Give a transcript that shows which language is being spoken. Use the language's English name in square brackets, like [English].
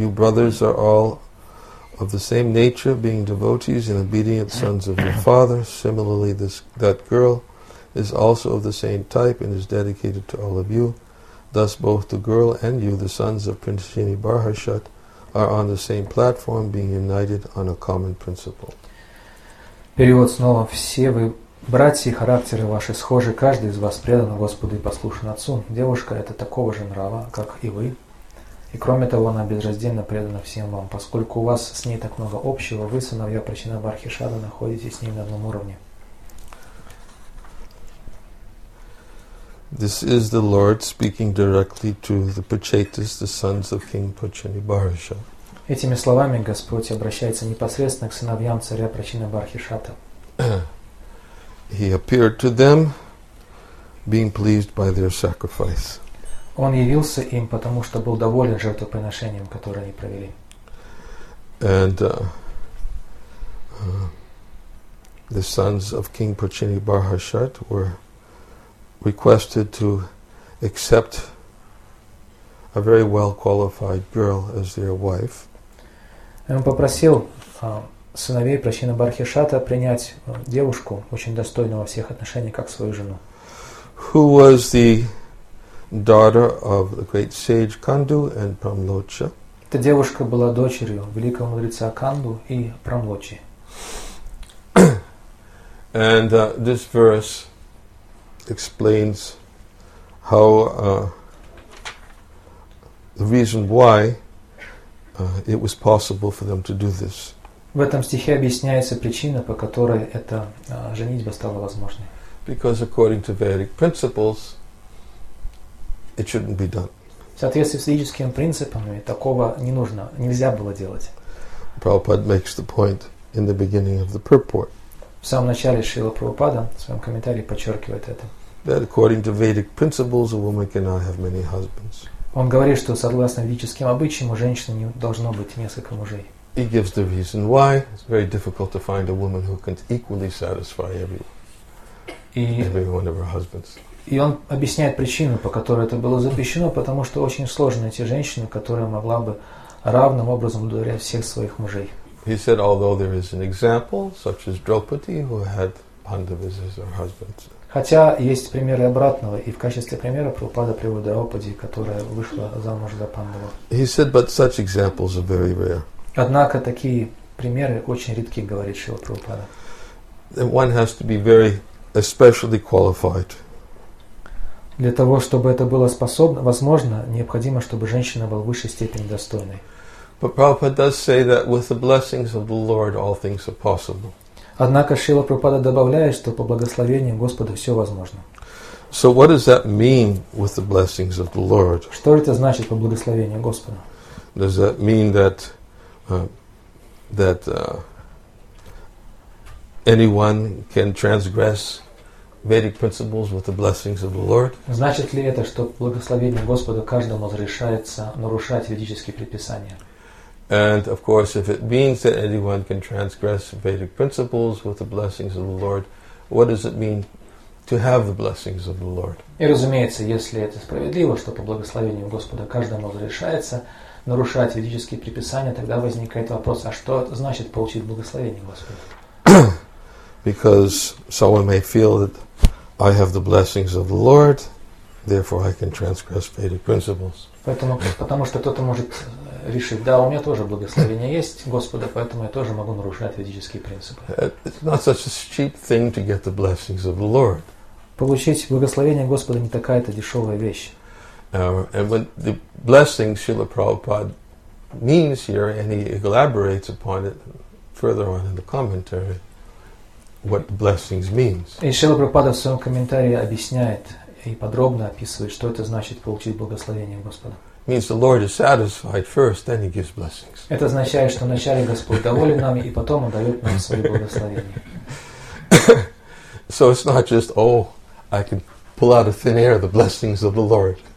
[English] You brothers are all of the same nature, being devotees and obedient sons of your father. Similarly, that girl is also of the same type and is dedicated to all of you. Thus, both the girl and you, the sons of Prinsini Barhashat, are on the same platform, being united on a common principle. [Russian] Перевод снова. Все вы Братья и характеры ваши схожи, каждый из вас предан Господу и послушен Отцу. Девушка это такого же нрава, как и вы. И кроме того, она безраздельно предана всем вам. Поскольку у вас с ней так много общего, вы, сыновья Причинабархи Шада, находитесь с ней на одном уровне. [English] This is the Lord speaking directly to the Pachetas, the sons of King Pachinibharisha. [Russian] Этими словами Господь обращается непосредственно к сыновьям царя Причинабархи Шада. [English] He appeared to them, being pleased by their sacrifice. [Russian] Он явился им, потому что был доволен жертвоприношением, которое они провели. [English] And the sons of King Pachinibharishat were requested to accept a very well-qualified girl as their wife. [Russian] Он попросил сыновей Прачинабархишата принять девушку, очень достойную во всех отношениях, как свою жену. [English] Who was the daughter of the great sage Kandu and Pramlocha. [Russian] Эта девушка была дочерью великого мудреца Канду и Прамлочи. [English] And this verse explains how the reason why it was possible for them to do this. [Russian] В этом стихе объясняется причина, по которой эта женитьба стала возможной. [English] Because according to Vedic principles, it shouldn't be done. [Russian] В соответствии с ведическими принципами такого не нужно, нельзя было делать. [English] Prabhupada makes the point in the beginning of the purport. [Russian] В самом начале Шрила Прабхупада в своем комментарии подчеркивает это. [English] That according to Vedic principles, a woman cannot have many husbands. [Russian] Он говорит, что согласно ведическим обычаям, у женщины не должно быть несколько мужей. [English] He gives the reason why. It's very difficult to find a woman who can equally satisfy every one of her husbands. [Russian] И он объясняет причину, по которой это было запрещено, потому что очень сложно найти женщину, которая могла бы равным образом удовлетворять всех своих мужей. [English] He said, although there is an example, such as Draupadi, who had Pandavas as her husband. [Russian] Хотя есть примеры обратного, и в качестве примера Прабхупада приводит Драупади, которая вышла замуж за Пандаву. [English] He said, but such examples are very rare. [Russian] Однако такие примеры очень редки, говорит Шрила Прабхупада. [English] One has to be very especially qualified. [Russian] Для того, чтобы это было способно, возможно, необходимо, чтобы женщина была в высшей степени достойной. [English] But Prabhupada does say that with the blessings of the Lord, all things are possible. [Russian] Однако Шрила Прабхупада добавляет, что по благословению Господа все возможно. [English] So what does that mean with the blessings of the Lord? [Russian] Что это значит по благословению Господа? [English] Does that mean that anyone can transgress Vedic principles with the blessings of the Lord? [Russian] Значит ли это, что благословение Господа каждому разрешается нарушать ведические предписания? [English] And of course, if it means that anyone can transgress Vedic principles with the blessings of the Lord, what does it mean to have the blessings of the Lord? [Russian] И разумеется, если это справедливо, что по благословению Господа каждому разрешается нарушать ведические предписания, тогда возникает вопрос, а что значит получить благословение Господа? [English] Because someone may feel that I have the blessings of the Lord, therefore I can transgress Vedic principles. [Russian] Потому что кто-то может решить, да, у меня тоже благословение есть Господа, поэтому я тоже могу нарушать ведические принципы. [English] It's not such a cheap thing to get the blessings of the Lord. [Russian] Получить благословение Господа не такая-то дешевая вещь. [English] And when the blessings Srila Prabhupada means here, and he elaborates upon it further on in the commentary, what blessings means. [Russian] И Шрила Прабхупада в своем комментарии объясняет и подробно описывает, что это значит получить благословение Господа. [English] Means the Lord is satisfied first, then he gives blessings. [Russian] Это означает, что вначале Господь доволен нами, и потом он дает нам свои благословения. [English] So it's not just, oh, I can pull out of thin air the blessings of the Lord.